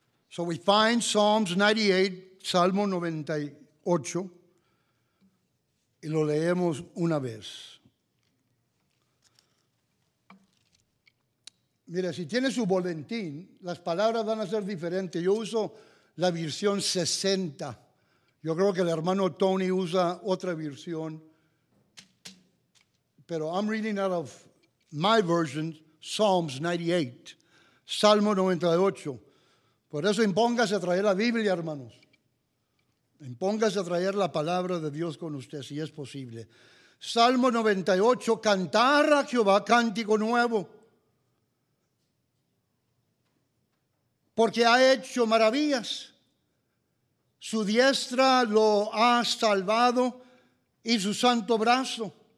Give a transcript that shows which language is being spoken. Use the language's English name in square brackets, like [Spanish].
[English] So we find Psalms 98, [Spanish] Salmo 98, y lo leemos una vez. Mira, si tiene su boletín, las palabras van a ser diferentes. Yo uso la versión 60. Yo creo que el hermano Tony usa otra versión. [English] Pero I'm reading out of my version, Psalms 98, Salmo 98. [Spanish] Por eso impóngase a traer la Biblia, hermanos. Impóngase a traer la palabra de Dios con usted, si es posible. Salmo 98, cantar a Jehová cántico nuevo. Porque ha hecho maravillas. Su diestra lo ha salvado y su santo brazo.